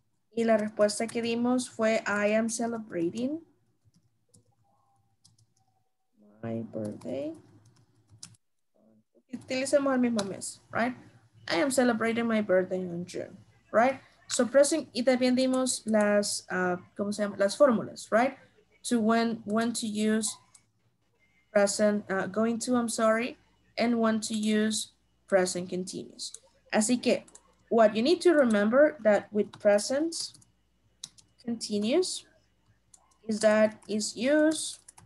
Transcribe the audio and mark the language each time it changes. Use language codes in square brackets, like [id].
[es] Y la respuesta que dimos fue [en] I am celebrating my birthday. [es] Utilizamos el mismo mes, right? [en] I am celebrating my birthday in June, right? So present, [es] y también dimos las, ¿cómo se llama? Las fórmulas, [en] right? To when to use present, going to, I'm sorry, and want to use present continuous. [es] Así que, [en] what you need to remember that with present continuous is that it's used,